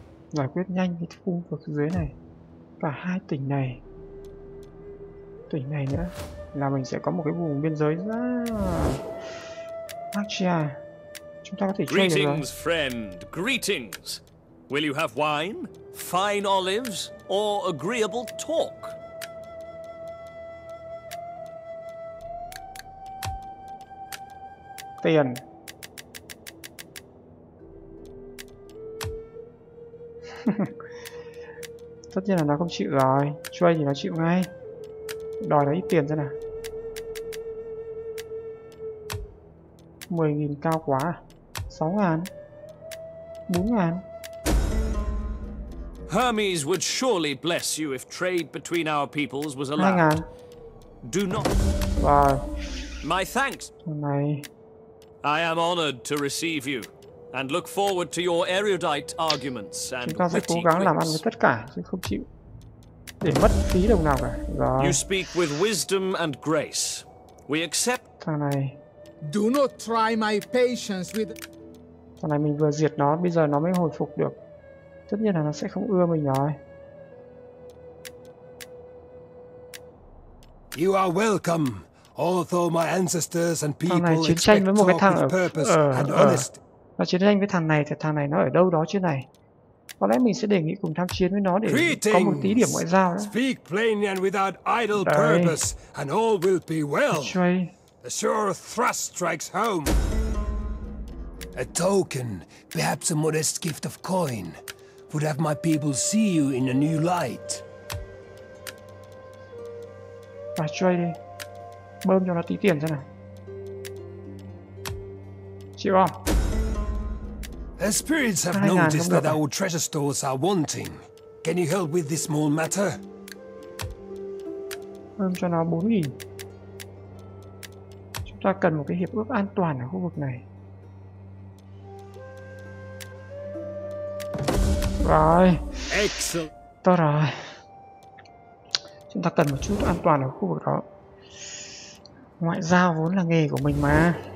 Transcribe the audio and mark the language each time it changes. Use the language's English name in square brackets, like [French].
[Vietnamese] Giải quyết nhanh cái khu vực dưới này. Cả hai tỉnh này. Tỉnh này nữa. Là mình sẽ có một cái vùng biên giới ra. Archia. Chúng ta có thể chơi được rồi. [English] Greetings, friend. Greetings. Will you have wine, fine olives, or agreeable talk? [Vietnamese] Tiền. Tất nhiên là nó không chịu rồi. Chơi thì nó chịu ngay. Đòi nó ít tiền ra nào. 10.000 cao quá à? 6.000. 4.000. [English] Hermes would surely bless you if trade between our peoples was allowed. [Vietnamese] 2.000. [English] Do not. Wow. My thanks. [Vietnamese] Này. [English] I am honored to receive you and look forward to your erudite arguments and [Vietnamese] chúng ta sẽ cố gắng làm ăn với tất cả chứ không chịu để mất phí đồng nào cả. Rồi. [English] You speak with wisdom and grace. We accept. [Vietnamese] Thằng này. [English] Do not try my patience with. [Vietnamese] Thằng này mình vừa diệt nó, bây giờ nó mới hồi phục được. Tất nhiên là nó sẽ không ưa mình rồi. [English] You are welcome. Although my ancestors and people [Vietnamese] thằng này chiến tranh với một cái thằng ở [English] honest. [Vietnamese] Nó chiến tranh với thằng này nó ở đâu đó chứ này. Có lẽ mình sẽ đề nghị cùng tham chiến với nó để có một tí điểm ngoại giao đó. [English] Speak plainly and without idle purpose and all will be well. A sure thrust strikes home. A token, perhaps a modest gift of coin, would have my people see you in a new light. [Vietnamese] Và chơi đi. Bơm cho nó tí tiền xem nào. Chịu không? [English] The spirits have noticed that our treasure stores are wanting. Can you help with this small matter? [Vietnamese] Bơm cho nó 4.000. Chúng ta cần một cái hiệp ước an toàn ở khu vực này. Rồi. [English] Excellent. [Vietnamese] Tốt rồi. Chúng ta cần một chút an toàn ở khu vực đó. Ngoại giao vốn là nghề của mình mà.